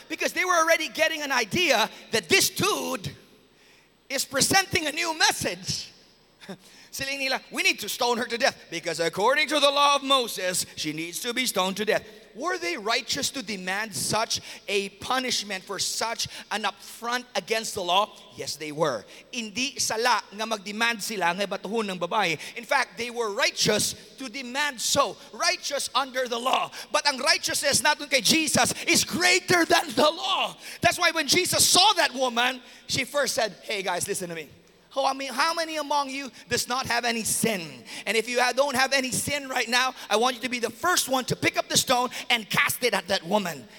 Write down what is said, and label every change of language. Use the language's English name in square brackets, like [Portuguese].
[English] Because they were already getting an idea that this dude is presenting a new message. [Hiligaynon] Siling nila, [English] we need to stone her to death because according to the law of Moses, she needs to be stoned to death. Were they righteous to demand such a punishment for such an upfront against the law? Yes, they were. [Hiligaynon] Hindi sala nga mag-demand sila ng batuhon ng babae. [English] In fact, they were righteous to demand so. Righteous under the law. But [Hiligaynon] ang righteousness natin kay Jesus [English] is greater than the law. That's why when Jesus saw that woman, she first said, hey guys, listen to me. Oh, I mean, how many among you does not have any sin? And if you don't have any sin right now, I want you to be the first one to pick up the stone and cast it at that woman.